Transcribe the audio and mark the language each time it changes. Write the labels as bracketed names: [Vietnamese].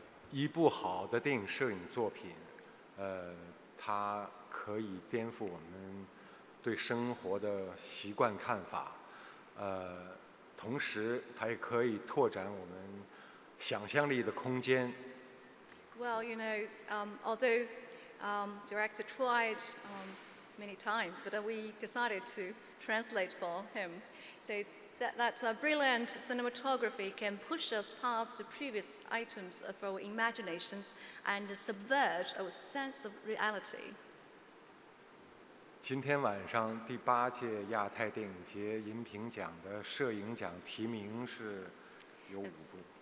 [Chinese] 一部好的电影摄影作品，它可以颠覆我们对生活的习惯看法，同时它也可以拓展我们想象力的空间。 [English] Well, you know, although director tried many times, but we decided to translate for him. So he said that brilliant cinematography can push us past the previous items of our imaginations and subvert our sense of reality. [Chinese] 今天晚上第八届亚太电影节银屏奖的摄影奖提名是有五部。